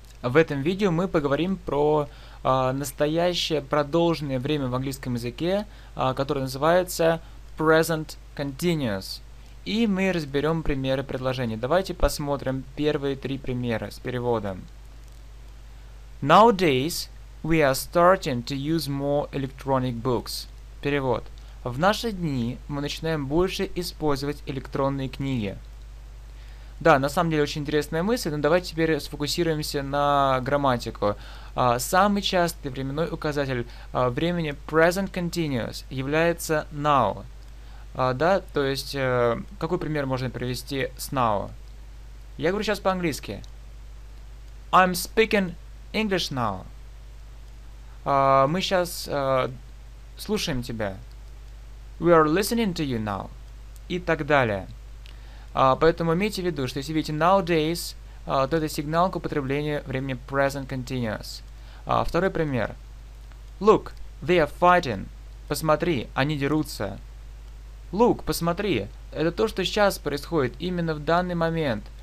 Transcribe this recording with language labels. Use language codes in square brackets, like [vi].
[ru] В этом видео мы поговорим про настоящее продолженное время в английском языке, которое называется Present Continuous. И мы разберем примеры предложений. Давайте посмотрим первые три примера с переводом. [en] Nowadays we are starting to use more electronic books. [ru] Перевод. В наши дни мы начинаем больше использовать электронные книги. Да, на самом деле очень интересная мысль, но давайте теперь сфокусируемся на грамматику. Самый частый временной указатель времени present continuous является now. Да, то есть какой пример можно привести с now? Я говорю сейчас по-английски. [en] I'm speaking English now. [ru] Мы сейчас слушаем тебя. [en] We are listening to you now. [ru] И так далее. Поэтому имейте в виду, что если видите nowadays, то это сигнал к употреблению времени present continuous. Второй пример. [en] Look, they are fighting. [ru] Посмотри, они дерутся. Look, посмотри. Это то, что сейчас происходит, именно в данный момент.